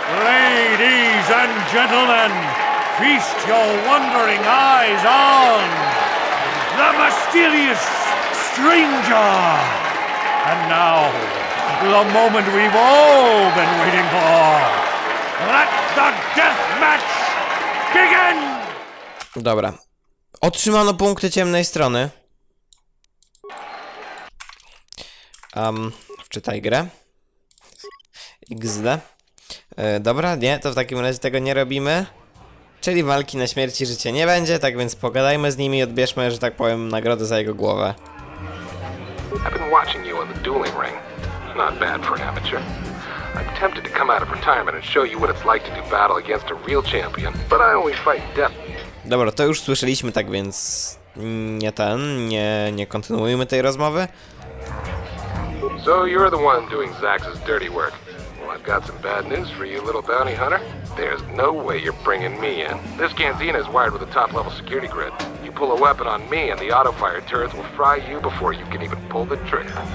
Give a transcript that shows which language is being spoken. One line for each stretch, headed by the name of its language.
English: Ladies and gentlemen, feast your wondering eyes on the mysterious stranger. And now, the moment we've all been waiting for. Let the death match begin!
Polish: Dobra. Otrzymano punkty ciemnej strony. Wczytaj grę. XD. Dobra, nie, to w takim razie tego nie robimy. Czyli walki na śmierć i życie nie będzie, tak więc pogadajmy z nimi i odbierzmy, że tak powiem, nagrodę za jego głowę.
English: I've been watching you in the dueling ring. Not bad for an amateur. I'm tempted to come out of retirement and show you what it's like to do battle against a real champion, but I only fight death.
Polish: Dobra, to już słyszeliśmy, tak więc nie ten, nie kontynuujmy tej rozmowy.
English: So you're the one doing Zax's dirty work. I've got some bad news for you, little bounty hunter. There's no way you're bringing me in. This canteen is wired with a top-level security grid. You pull a weapon on me and the auto-fire turrets will fry you before you can even pull the trigger.